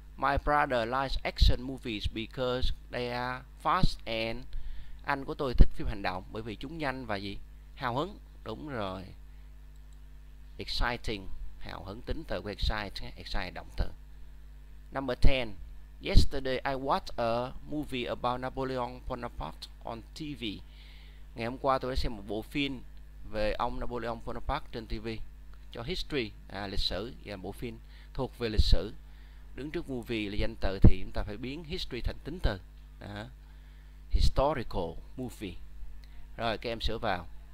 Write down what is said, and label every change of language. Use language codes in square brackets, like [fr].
[en] My brother likes action movies because they are fast and. [vi] Anh của tôi thích phim hành động bởi vì chúng nhanh và gì? Hào hứng. Đúng rồi. Exciting. Hào hứng, tính từ của excite, excite động từ. [en] Number 10. Yesterday I watched a movie about Napoleon Bonaparte on TV. [vi] Ngày hôm qua tôi đã xem một bộ phim về ông Napoleon Bonaparte trên TV. Cho history, lịch sử, và bộ phim thuộc về lịch sử. Đứng trước movie là danh từ thì chúng ta phải biến history thành tính từ. Đó. [en] Historical movie. [vi] Rồi các em sửa vào.